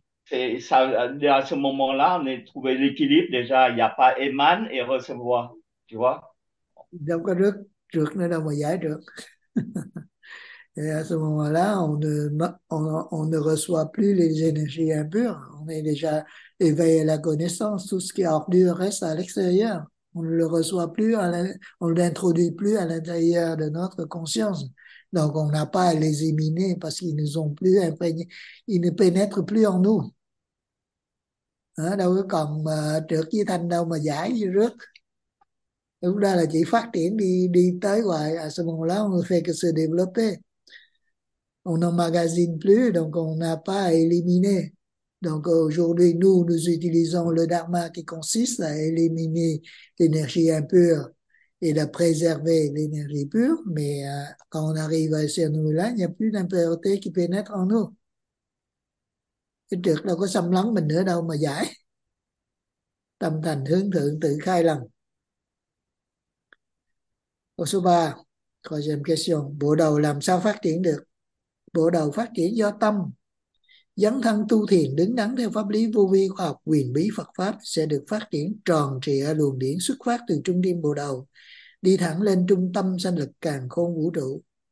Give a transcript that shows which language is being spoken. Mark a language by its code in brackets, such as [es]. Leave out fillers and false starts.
[vi] Thì sao ở [fr] ce momento [vi] là thu về [fr] l'équilibre déjà y a pas émane et recevoir, tu vois? [vi] Đâu có rước trượt nữa đâu mà giải được. [fr] À ce moment-là, on ne reçoit plus les énergies impures. On est déjà éveillé à la connaissance. Tout ce qui est ordure reste à l'extérieur. On ne le reçoit plus, on ne l'introduit plus à l'intérieur de notre conscience. Donc, on n'a pas à les éliminer parce qu'ils nous ont plus imprégnés. Ils ne pénètrent plus en nous. [vi] À, đâu có còn trượt với thanh đâu mà giải với rước. Lúc đó là chỉ phát triển đi đi tới ngoài. [fr] À ce moment-là, on ne fait que se développer. On n'emmagasine plus, donc on n'a pas à éliminer. Donc aujourd'hui, nous utilisons le dharma qui consiste à éliminer l'énergie impure et à préserver l'énergie pure. Mais quand on arrive à ce niveau-là, il n'y a plus d'impureté qui pénètre en nous. [vi] Cái trượt đâu có xâm lấn mình nữa đâu mà giải. Tâm thành hướng thượng tự khai lần. Câu số 3, có xem question, bộ đầu làm sao phát triển được? Bộ đầu phát triển do tâm, dấn thân tu thiền đứng đắn theo pháp lý vô vi khoa học huyền bí Phật Pháp sẽ được phát triển tròn trịa luồng điển xuất phát từ trung tâm bộ đầu, đi thẳng lên trung tâm sanh lực càn khôn vũ trụ.